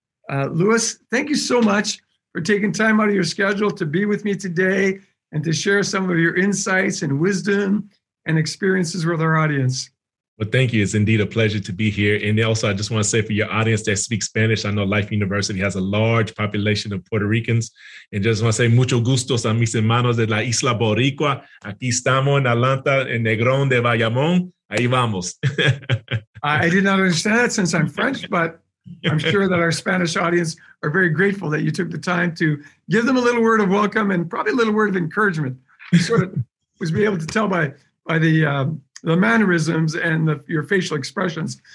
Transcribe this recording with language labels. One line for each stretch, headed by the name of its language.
English: Louis, thank you so much for taking time out of your schedule to be with me today and to share some of your insights and wisdom and experiences with our audience. Well, thank you. It's indeed a pleasure to be here. And also, I just want to say for your audience that speaks Spanish, I know Life University has a large population of Puerto Ricans. And just want to say
Spanish: mucho gusto a mis hermanos de la Isla Boricua. Aquí estamos en Atlanta, en Negron de Bayamón. Ahí vamos.
English: I did not understand that since I'm French, but I'm sure that our Spanish audience are very grateful that you took the time to give them a little word of welcome and probably a little word of encouragement. You sort of was able to tell by the mannerisms and your facial expressions.